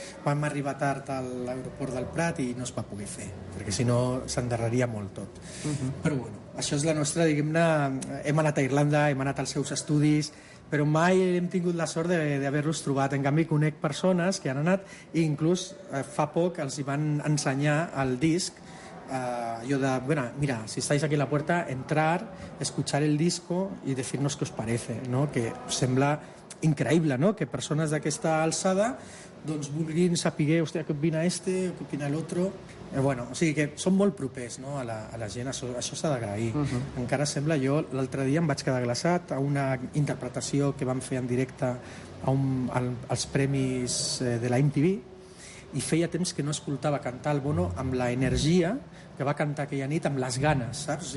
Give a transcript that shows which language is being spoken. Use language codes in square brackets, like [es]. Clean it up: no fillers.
[ca] Vam arribar tard a l'aeroport del Prat i no es va poder fer, perquè si no s'enderraria molt tot. Però bueno, això és la nostra, diguem-ne, hem anat a Irlanda, hem anat als seus estudis, però mai hem tingut la sort d'haver-los trobat. En canvi, conec persones que han anat i inclús fa poc els hi van ensenyar el disc. Allò de, [es] bueno, mira, si estáis aquí a la puerta, entrar, escuchar el disco y decirnos qué os parece, ¿no? [ca] Que sembla increïble, no?, que persones d'aquesta alçada doncs vulguin saber, hòstia, què opina este, què opina l'altre. Bueno, o sigui que són molt propers, no?, a la gent, això s'ha d'agrair. Uh-huh. Encara sembla, jo l'altre dia em vaig quedar glaçat a una interpretació que vam fer en directe als premis de la MTV, i feia temps que no escoltava cantar el Bono amb la energia que va cantar aquella nit, amb les ganes, saps?